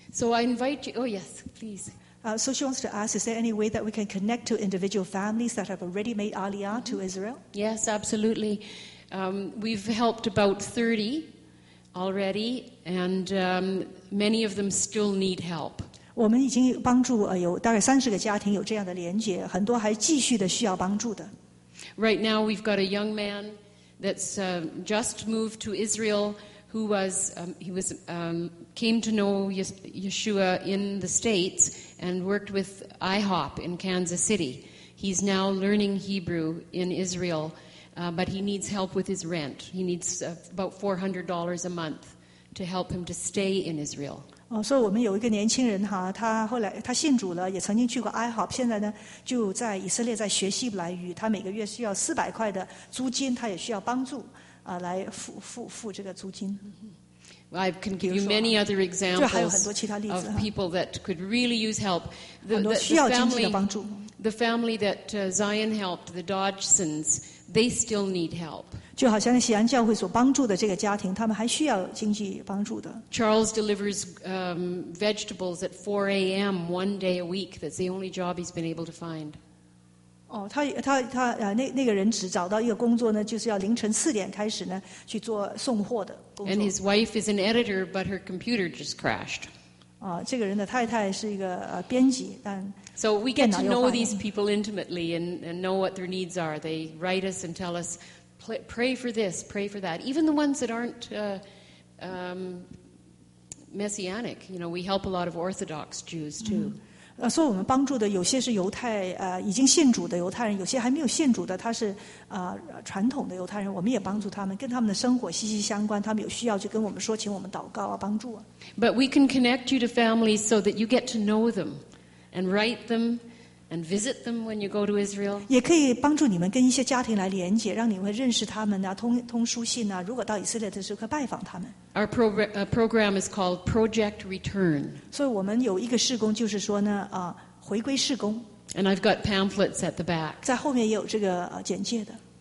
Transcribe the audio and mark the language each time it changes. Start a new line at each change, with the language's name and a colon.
English: So I invite you. Oh yes, please. So she wants to ask: Is there any way that we can connect to individual families that have already made Aliyah to Israel? Yes, absolutely. We've helped about 30. Already, and many of them still need help.
Chinese: 我们已经帮助有大概30个家庭有这样的连结，很多还继续的需要帮助的。
English: Right now, we've got a young man that's just moved to Israel, who was came to know Yeshua in the States and worked with IHOP in Kansas City. He's now learning Hebrew in Israel. But he needs help with his rent. He needs about $400 a month to help him to stay in Israel. Oh, so we have a young person. He later he became a believer. He has also gone to IHOP. Now he is in Israel, learning Hebrew. He needs about $400 a month for rent. He also needs help to pay the rent. I can give you many other examples of people that could really use help. The family that Zion helped, the Dodgsons. They still need help.
Chinese: 就好像西安教会所帮助的这个家庭，他们还需要经济帮助的。
English: Charles delivers vegetables at 4 a.m. one day a week. That's the only job he's been able to find.
Chinese: 哦，他那个人只找到一个工作呢，就是要凌晨四点开始呢去做送货的工作。
English: And his wife is an editor, but her computer just crashed.
Chinese: 啊，这个人的太太是一个编辑，但。
English: So we get to know these people intimately and know what their needs are. They write us and tell us, pray for this, pray for that. Even the ones that aren't messianic, you know, we help a lot of Orthodox Jews too.
Chinese: 所以我们帮助的有些是犹太已经信主的犹太人，有些还没有信主的，他是传统的犹太人，我们也帮助他们，跟他们的生活息息相关，他们有需要就跟我们说，请我们祷告啊，帮助啊。
English: But we can connect you to families so that you get to know them. And write them, and visit them when you go to Israel.
Chinese: 也可以帮助你们跟一些家庭来连接，让你们认识他们啊，通书信啊。如果到以色列的时候，可以拜访他们。
English: Our program is called Project Return.
Chinese: 所以我们有一个事工，就是说呢，回归事工。
English: And I've got pamphlets at the back.
Chinese: 在后面也有这个简介的。